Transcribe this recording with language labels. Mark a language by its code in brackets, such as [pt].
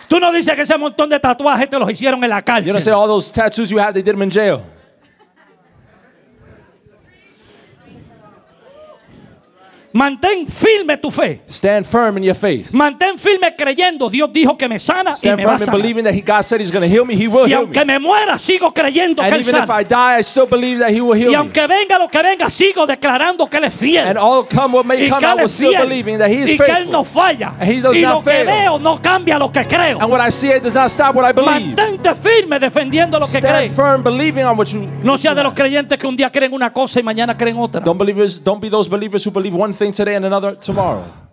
[es] Tú no dices que ese montón de tatuajes te los hicieron en la cárcel. [en] You don't say all those tattoos you have they did them in jail. [es] Mantén firme tu fe. [en] Stand firm in your faith. [es] Mantén firme creyendo. Dios dijo que me sana y me va a sanar. [en] Stand firm believing that God said he's going to heal me, he will heal me. [es] Y aunque me muera, sigo creyendo que él sana. [en] And even if I die, I still believe that he will heal me. [es] Y aunque venga lo que venga, sigo declarando que él es fiel. [en] And all come what may come, I will still believing that he is faithful. [es] Y que él no falla. [en] And he does not fail. [es] Y lo que veo no cambia lo que creo. [en] And what I see, it does not stop what I believe. [es] Mantente firme defendiendo lo que crees. [en] Stand firm believing on what you. [es] No sea de los creyentes que un día creen una cosa y mañana creen otra. [en] Don't be those believers who believe one thing today and another tomorrow.